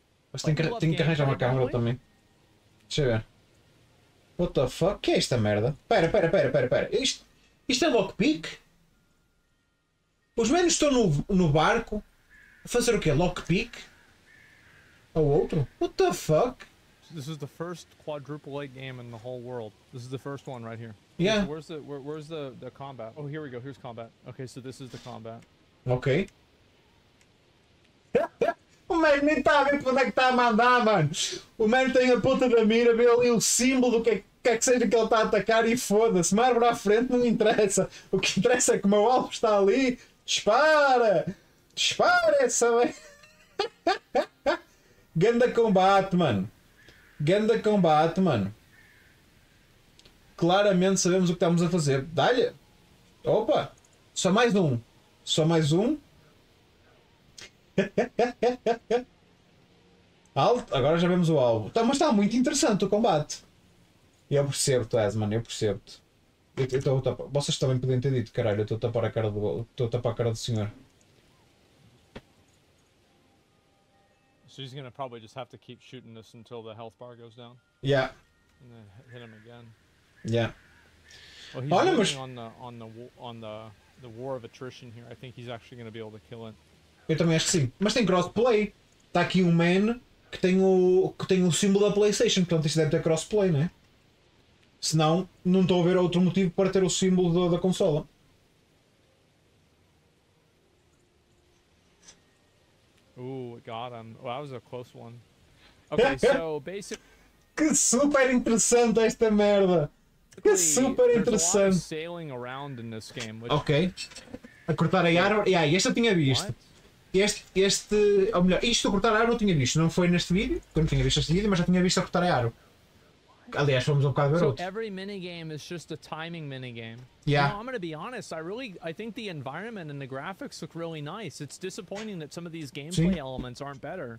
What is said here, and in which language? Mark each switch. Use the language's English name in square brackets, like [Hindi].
[Portuguese] Mas tenho que arranjar uma câmera também. Deixa eu ver. [English] What the fuck? [Portuguese] O que é esta merda? Pera. Isto é lockpick? Os menos estão no barco a fazer o quê? Lockpick? Ou outro? [English] What the fuck? This is the first quadruple-A game in the whole world. This is the first one right here. Yeah. Where's the combat? Oh, here we go. Here's combat. Okay, so this is the combat. Okay. [Portuguese] O man nem está a ver para onde é que está a mandar, mano. O man tem a ponta da mira, vê ali o símbolo do que seja que ele está a atacar e foda-se. Uma árvore à frente não interessa. O que interessa é que o meu alvo está ali. Dispara! Dispara essa... Ganda combate, mano. Ganda combate, mano. Claramente sabemos o que estamos a fazer. Dá-lhe. Opa. Só mais um. Só mais um. Alto. Agora já vemos o alvo. Tá, mas está muito interessante o combate. Eu percebo-te, Asman. Eu percebo-te. Vocês também podiam ter dito, caralho. Eu estou a tapar a cara do senhor. [English] She's gonna probably just have to keep shooting this until the health bar goes down. Yeah. And then hit him again. Yeah. Well, he's working on the war of attrition here. I think he's actually gonna be able to kill it. [Portuguese] Eu também acho que sim. Mas tem crossplay. Tá aqui um man que tem o símbolo da PlayStation, portanto isto deve ter crossplay, não é? Senão, não estou a ver outro motivo para ter o símbolo da consola. [English] Ooh, got him. Well, that was a close one. Okay, so basically. [Portuguese] Que super interessante esta merda! Que super interessante! [English] There's a lot of sailing around in this game, [Portuguese] which... Ok. A cortar a árvore. Yeah, este eu tinha visto. Este. Ou melhor, isto a cortar a árvore eu tinha visto. Não foi neste vídeo, porque eu não tinha visto este vídeo, mas já tinha visto a cortar a árvore. Aliás, fomos um bocado ver outro. [English] So every minigame is just a timing minigame. Yeah. You know, I'm gonna be honest, I think the environment and the graphics look really nice. It's disappointing that some of these gameplay elements aren't better.